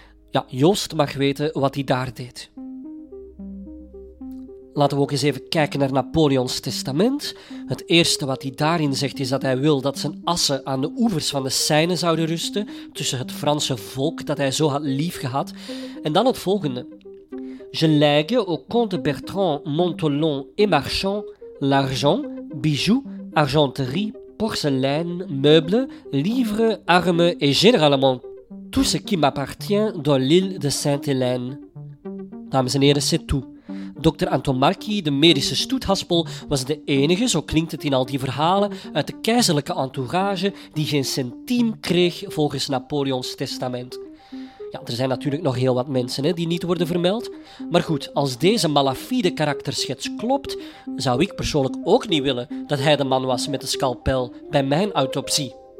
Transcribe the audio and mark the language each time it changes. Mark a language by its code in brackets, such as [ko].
[nl] Ja, Joost mag weten wat hij daar deed. Laten we ook eens even kijken naar Napoleons testament. Het eerste wat hij daarin zegt is dat hij wil dat zijn assen aan de oevers van de Seine zouden rusten, tussen het Franse volk dat hij zo had lief gehad. En dan het volgende. [fr] Je lègue au comte Bertrand Montolon et Marchand l'argent, bijoux, argenterie, porcelain, meubles, livres, armes et généralement tout ce qui m'appartient dans l'île de Sainte-Hélène. [nl] Dames en heren, [fr] c'est tout. [nl] Dokter Antomarchi, de medische stoethaspel, was de enige, zo klinkt het in al die verhalen, uit de keizerlijke entourage die geen centiem kreeg volgens Napoleons testament. Ja, er zijn natuurlijk nog heel wat mensen, hè, die niet worden vermeld. Maar goed, als deze malafide karakterschets klopt, zou ik persoonlijk ook niet willen dat hij de man was met de scalpel bij mijn autopsie.